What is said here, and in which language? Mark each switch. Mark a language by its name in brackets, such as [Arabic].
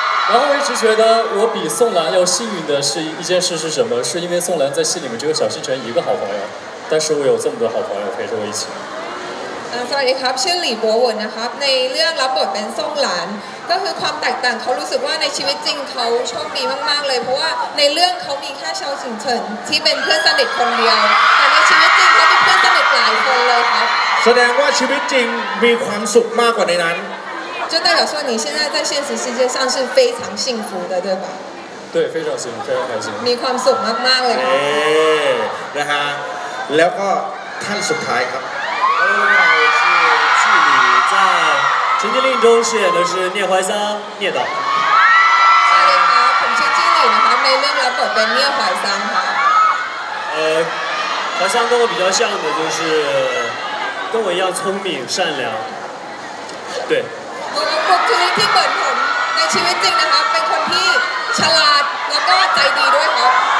[Chinese] 然后我一直觉得我比宋兰要幸运的是一件事是什么？是因为宋兰在戏里面只有小星辰一个好朋友，但是我有这么多好朋友陪着我一起。 [Thai] สวัสดีครับชื่อหลี่บัววุ่นนะครับในเรื่องรับบทเป็นส่งหลานก็คือความแตกต่างเขารู้สึกว่าในชีวิตจริงเขาโชคดีมากๆเลยเพราะว่าในเรื่องเขามีแค่ชาวสิงเฉินที่เป็นเพื่อนสนิทคนเดียวแต่ในชีวิตจริงเขามีเพื่อนสนิทหลายคนเลยครับ แสดงว่าชีวิตจริงมีความสุขมากกว่าในนั้น [Chinese] 就代表说你现在在现实世界上是非常幸福的对吧对非常幸福非常开心 [Thai] มีความสุขมากๆเลย นะฮะแล้วก็ท่านสุดท้ายครับ [Chinese] 在《陈情令》中饰演的是聂怀桑，聂导。大家好，我是经理的，还没认老本的聂怀桑哈。怀桑跟我比较像的就是，跟我一样聪明善良。对。 [Thai] 我คือที่เหมือนผมในชีวิตจริงนะคะเป็นคนที่ฉลาดแล้วก็ใจดีด้วยครับ。